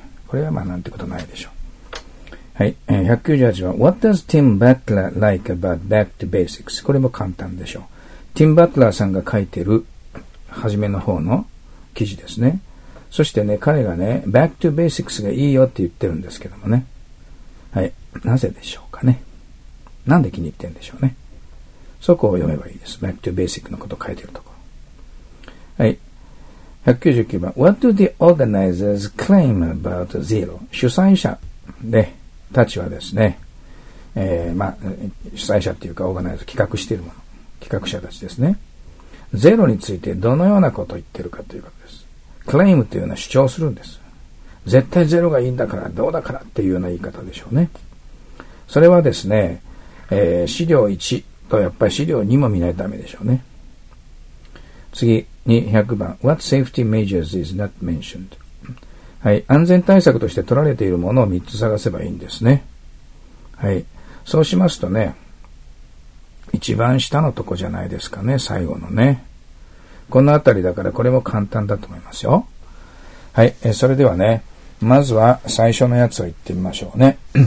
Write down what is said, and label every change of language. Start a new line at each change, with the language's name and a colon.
Japanese: これはまあなんてことないでしょう。はい。
English: 198は What does Tim Butler like about back to basics?
Japanese: これも簡単でしょう。Tim Butler さんが書いてる初めの方の記事ですね。そしてね、彼がね、back to basics がいいよって言ってるんですけどもね。はい。なぜでしょうかね。なんで気に入ってるんでしょうね。そこを読めばいいです。 back to basic のことを書いてるとこ。はい、199番、
English: What do the organizers claim about zero?
Japanese: 主催者でたちはですね、まあ、主催者っていうかオーガナイズ、企画しているもの、企画者たちですね、ゼロについてどのようなことを言ってるかということです。 claim というのは主張するんです。絶対ゼロがいいんだから、どうだからっていうような言い方でしょうね。それはですね、資料1とやっぱり資料2も見ないとダメでしょうね。次に100番、
English: What safety measures is not mentioned?
Japanese: はい、安全対策として取られているものを3つ探せばいいんですね。はい、そうしますとね、一番下のとこじゃないですかね、最後のね、このあたりだから、これも簡単だと思いますよ。はい、それではね、まずは最初のやつを言ってみましょうね。